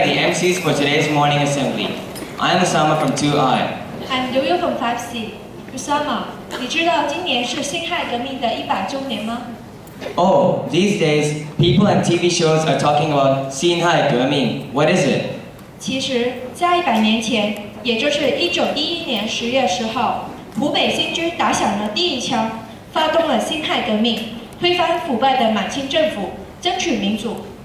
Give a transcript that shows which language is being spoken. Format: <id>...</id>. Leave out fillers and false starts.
<en>MCs for today's morning assembly. I am Osama from 2I. I'm Yoyo from 5C.</en> <zh>Osama, 你知道今年是辛亥革命的100周年吗?</zh> <en>Oh, these days, people on TV shows are talking about 辛亥革命. What is it?</en> <zh>其实在100年前, 也就是1911年10月10号, 湖北新军打响了第一枪, 发动了辛亥革命, 推翻腐败的满清政府, 争取民主。</zh>